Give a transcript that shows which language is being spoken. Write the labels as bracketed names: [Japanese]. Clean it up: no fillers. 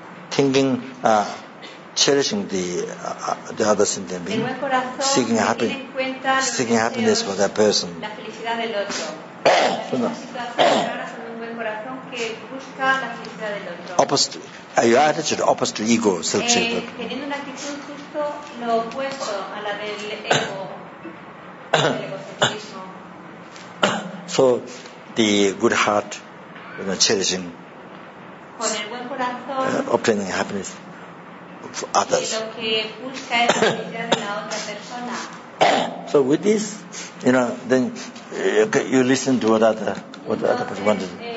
[English] Thinking, cherishing the other sentient being, seeking happiness for that person. [Spanish] La felicidad del otro. que busca la felicidad del otro. [English] Opposite, your attitude opposite to ego, self-centered. [Spanish] Teniendo una actitud justo lo opuesto a la del ego, del egocentrismo. [English] So, the good heart, you know, cherishing, [Spanish] con el buen corazón, [English] obtaining happiness for others. [Spanish] Lo que busca es la felicidad de la otra persona. [English] So with this, you know, then okay, you listen to what the other person wanted.